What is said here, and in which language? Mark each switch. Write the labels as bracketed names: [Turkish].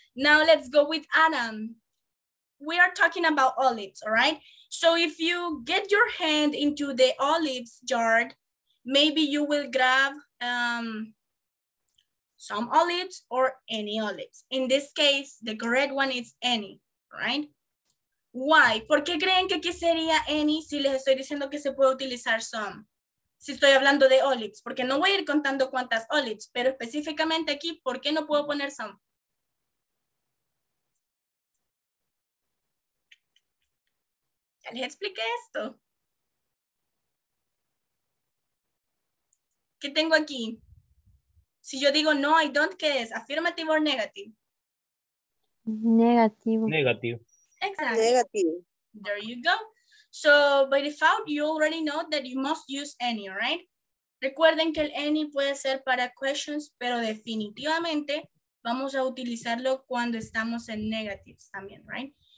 [English] Now let's go with Adam. We are talking about olives, all right? So if you get your hand into the olives jar, maybe you will grab some olives or any olives. In this case, the correct one is any, right? Why? [Spanish] ¿Por qué creen que aquí sería any si les estoy diciendo que se puede utilizar some? Si estoy hablando de olives, porque no voy a ir contando cuántas olives, pero específicamente aquí, ¿por qué no puedo poner some? Ya les expliqué esto. ¿Qué tengo aquí? Si yo digo no, [English] I don't, [Spanish] ¿qué es? [English] ¿Affirmative or negative? [Spanish] Negativo. Negativo. [English] Exactly. [Spanish] Negativo. [English] There you go. So by default, you already know that you must use any, right? [Spanish] Recuerden que el any puede ser para questions, pero definitivamente vamos a utilizarlo cuando estamos en negatives también, right?